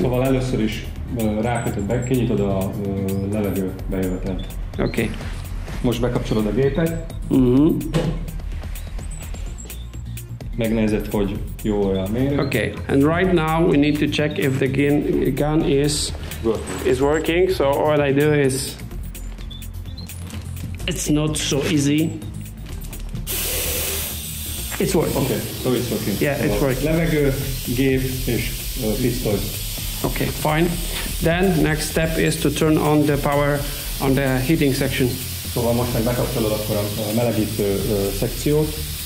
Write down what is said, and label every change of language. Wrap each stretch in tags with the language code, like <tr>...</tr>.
<hu>Szóval először is rákötöd, kinyitod a levegő bejövetelt.</hu> <en>Okay.</en> <hu>Most bekapcsolod a gépet. Mm-hmm. Megnézed, hogy jó olyan mérő.</hu> <en>Okay. And right now we need to check if the gun is working. So all I do is, it's not so easy. It's working. Okay, so it's working. Yeah, it's working.</en> <hu>Levegő, gép és pisztoly.</hu> <en>Okay, fine. Then next step is to turn on the power on the heating section.</en> <hu>Szóval most meg bekapcsolod akkor a melegítő szekciót.</hu>